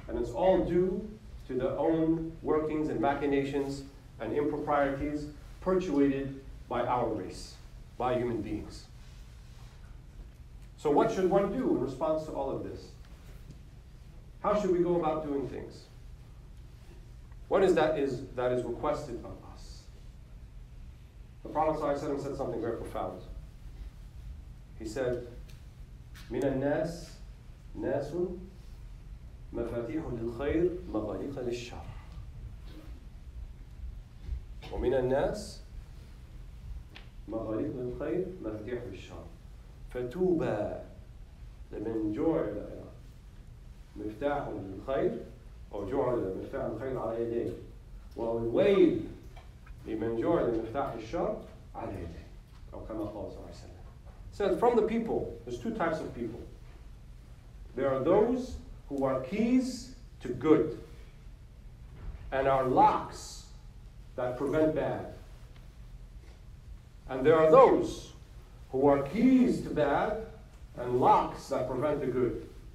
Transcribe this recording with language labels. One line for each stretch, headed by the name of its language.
English: And it's all due to the own workings and machinations and improprieties perpetuated by our race, by human beings. So what should one do in response to all of this? How should we go about doing things? What is that is requested of us? The Prophet ﷺ said something very profound. He said,
Arabic: "من الناس ناس مفاتيح للخير مغاليق للشر." ومن الناس مغاليق للخير مفاتيح للشر. فتوبى لمن جعل مفتاح للخير أو جعل مفتاح الخير على يديه والويل لمن جعل مفتاح الشر على يديه أو كما قال صلى الله عليه وسلم.
English: Said from the people, there's two types of people. There are those who are keys to good and are locks that prevent bad. And there are those who are keys to bad and locks that prevent the good.